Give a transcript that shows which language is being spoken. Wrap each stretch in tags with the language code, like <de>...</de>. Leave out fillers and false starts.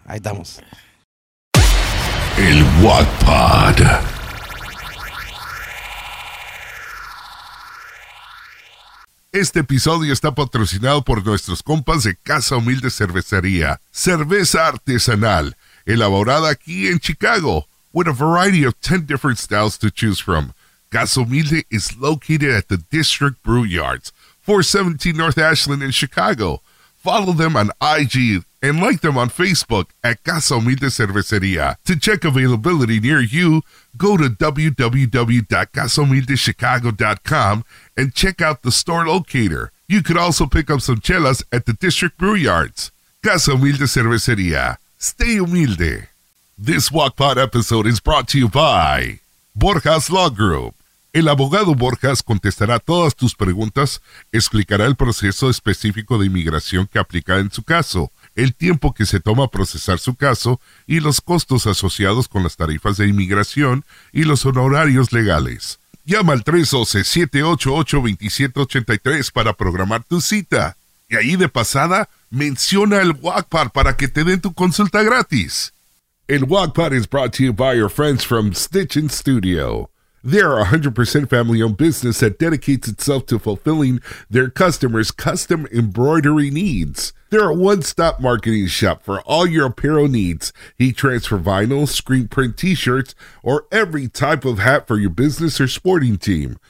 <es>Ahí estamos. El WACPAD. Este episodio está patrocinado por nuestros compas de Casa Humilde Cervecería. Cerveza artesanal, elaborada aquí en Chicago.</es> <en>With a variety of 10 different styles to choose from. Casa Humilde is located at the District Brew Yards, 417 North Ashland in Chicago. Follow them on IG and like them on Facebook at Casa Humilde Cervecería. To check availability near you, go to www.casahumildechicago.com and check out the store locator. You could also pick up some chelas at the District Brew Yards. Casa Humilde Cervecería. Stay humilde. This WACPAD episode is brought to you by Borja's Law Group.</en> <es>El abogado Borjas contestará todas tus preguntas, explicará el proceso específico de inmigración que aplica en su caso, el tiempo que se toma procesar su caso y los costos asociados con las tarifas de inmigración y los honorarios legales. Llama al 312-788-2783 para programar tu cita. Y ahí de pasada, menciona el WACPAD para que te den tu consulta gratis.</es> <en>El WACPAD is brought to you by your friends from Stitch & Studio. They are a 100% family-owned business that dedicates itself to fulfilling their customers' custom embroidery needs. They're a one-stop marketing shop for all your apparel needs. Heat transfer vinyl, screen print t-shirts, or every type of hat for your business or sporting team.</en>